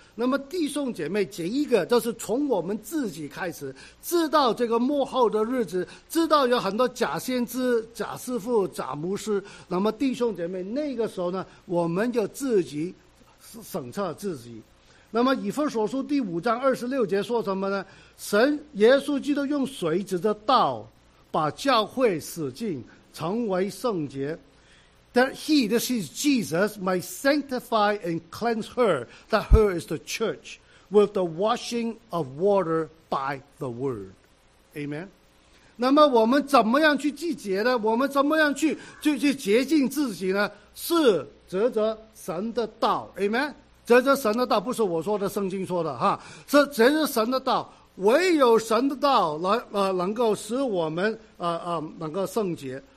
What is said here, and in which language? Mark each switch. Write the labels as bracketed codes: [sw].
[zh] 那么弟兄姐妹，这一个就是从我们自己开始，知道这个末后的日子，知道有很多假先知、假师傅、假牧师。那么弟兄姐妹，那个时候呢，我们就自己审查自己。那么以弗所书第5章26节说什么呢？神耶稣基督用水指着道把教会使尽，成为圣洁。 [en] That he, this is Jesus, may sanctify and cleanse her, that her is the church, with the washing of water by the word. Amen. [zh] 那么我们怎么样去祭洁呢？我们怎么样去洁净自己呢？是藉着神的道。Amen. 藉着神的道，不是我说的，圣经说的哈，是藉着神的道。唯有神的道能够使我们能够圣洁。